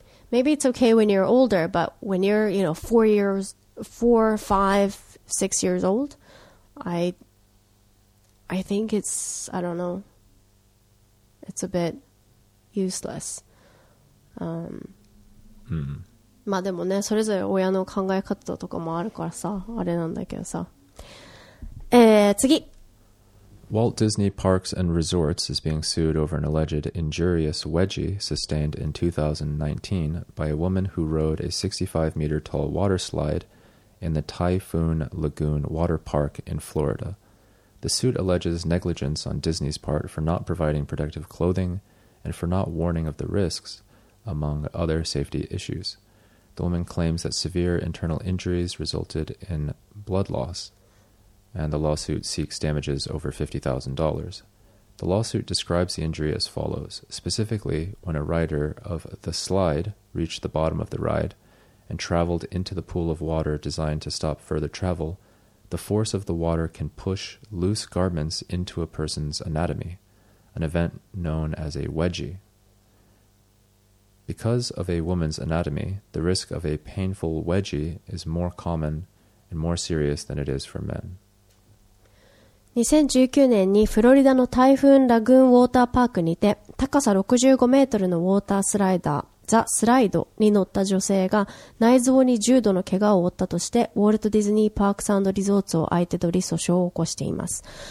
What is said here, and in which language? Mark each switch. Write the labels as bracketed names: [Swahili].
[English] Maybe it's okay when you're older, but when you're, you know, four, five, 6 years old, I think it's, I don't know, it's a bit useless. [Japanese] まあでもね、それぞれ親の考え方とかもあるからさ、あれなんだけどさ。次。 [English] Walt Disney Parks and Resorts is being sued over an alleged injurious wedgie sustained in 2019 by a woman who rode a 65-meter tall water slide in the Typhoon Lagoon Water Park in Florida. The suit alleges negligence on Disney's part for not providing protective clothing and for not warning of the risks, among other safety issues. The woman claims that severe internal injuries resulted in blood loss, and the lawsuit seeks damages over $50,000. The lawsuit describes the injury as follows. Specifically, when a rider of the slide reached the bottom of the ride and traveled into the pool of water designed to stop further travel, the force of the water can push loose garments into a person's anatomy, an event known as a wedgie. Because of a woman's anatomy, the risk of a painful wedgie is more common and more serious than it is for men. [Japanese] 2019年にフロリダのタイフーンラグーンウォーターパークにて高さ65メートルのウォータースライダーザ・スライドに乗った女性が内臓に重度の怪我を負ったとしてウォルト・ディズニー・パークス&リゾーツを相手取り訴訟を起こしています。